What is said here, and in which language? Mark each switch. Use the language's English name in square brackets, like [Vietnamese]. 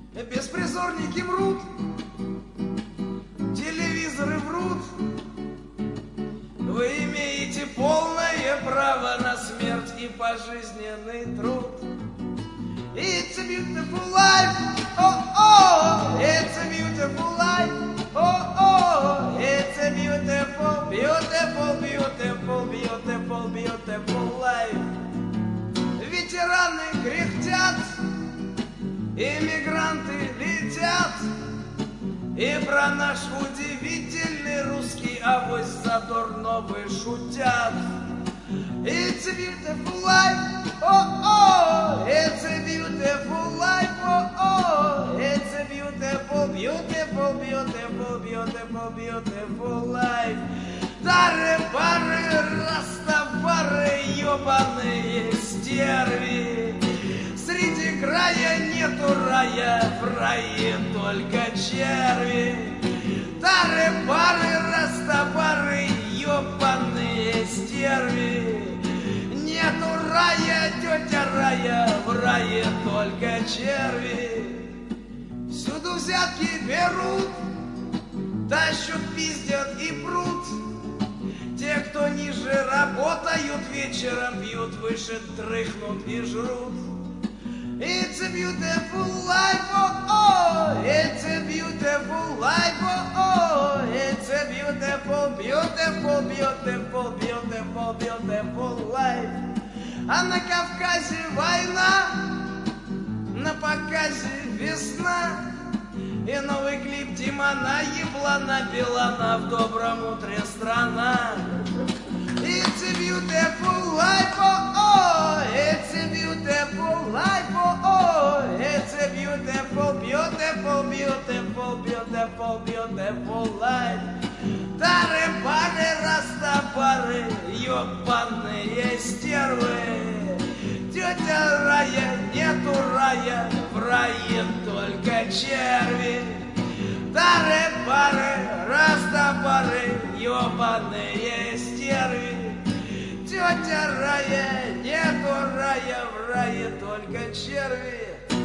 [Russian] Беспризорники мрут, телевизоры врут. Вы имеете полное право на смерть и пожизненный труд. [English] It's a beautiful life, oh-oh, it's a beautiful life, oh-oh, it's a beautiful, beautiful, beautiful, beautiful, beautiful life. [Russian] Ветераны кряхтят, эмигранты летят, и про наш удивительный русский авось задорно вы шутят. [English] It's a beautiful life, oh-oh, it's a beautiful life, oh-oh, it's a beautiful, beautiful, beautiful, beautiful, beautiful life. [Russian] Тары-бары, растопары, ёбаные стерви, среди края нету рая, в рае только черви. Тары-бары, растопары, ёбаные стерви, нету рая, тетя рая, в рае только черви. Всюду взятки берут, тащут, пиздят и прут. Те, кто ниже, работают вечером, бьют выше, дрыхнут и жрут. [English] It's a beautiful life, oh-oh, it's a beautiful life, oh-oh, it's a beautiful, beautiful, beautiful, beautiful, beautiful life. [Russian] А на Кавказе война, на показе весна, и новый клип Димона Еблана Билана в добром утре страна. [English] It's a beautiful life, oh-oh, it's a beautiful life, oh-oh, it's a beautiful, beautiful, beautiful, beautiful, beautiful life. [Russian] Тары-бары, растопары, ёбаные стервы, тетя рая, нету рая, в рае только черви. Тары-бары, растопары, ёбаные стервы, тетя рая, нету рая, в рае только черви.